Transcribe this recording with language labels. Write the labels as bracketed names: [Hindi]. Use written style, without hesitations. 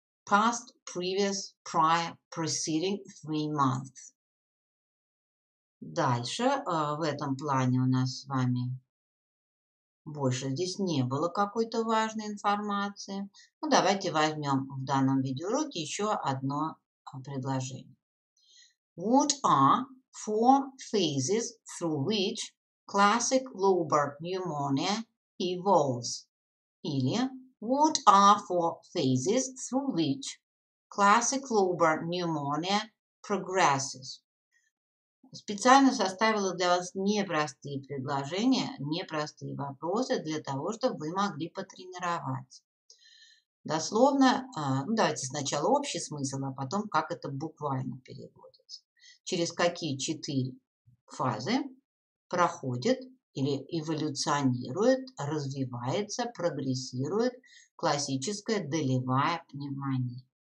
[English] Past, previous, prior, preceding 3 months. [Russian] Дальше в этом плане у нас с вами больше здесь не было какой-то важной информации. Ну, давайте возьмем в данном видеоуроке еще одно предложение. [English] What are 4 phases through which classic lobar pneumonia evolves? [Russian] Или [English] what are 4 phases through which classic lobar pneumonia progresses? [Russian] Специально составила для вас непростые предложения, непростые вопросы для того, чтобы вы могли потренировать. Дословно, давайте сначала общий смысл, а потом как это буквально переводится. Через какие 4 фазы проходит или эволюционирует, развивается, прогрессирует классическая долевая пневмония?